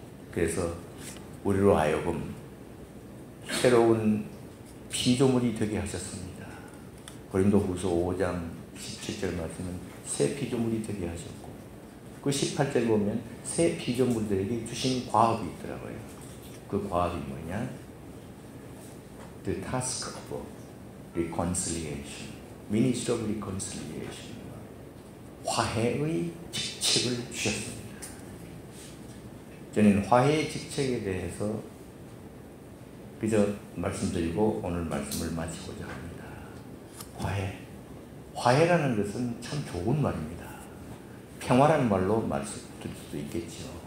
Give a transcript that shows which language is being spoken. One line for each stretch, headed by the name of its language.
Korean: 그래서 우리로 하여금 새로운 피조물이 되게 하셨습니다. 고린도후서 5장 17절 말씀은 새 피조물이 되게 하셨고 그 18절 보면 새 피조물들에게 주신 과업이 있더라고요. 그 과업이 뭐냐?
English: The task of reconciliation, ministry of reconciliation.
Korean: 화해의 직책을 주셨습니다. 저는 화해의 직책에 대해서 그저 말씀드리고 오늘 말씀을 마치고자 합니다. 화해. 화해라는 것은 참 좋은 말입니다. 평화라는 말로 말씀드릴 수도 있겠죠.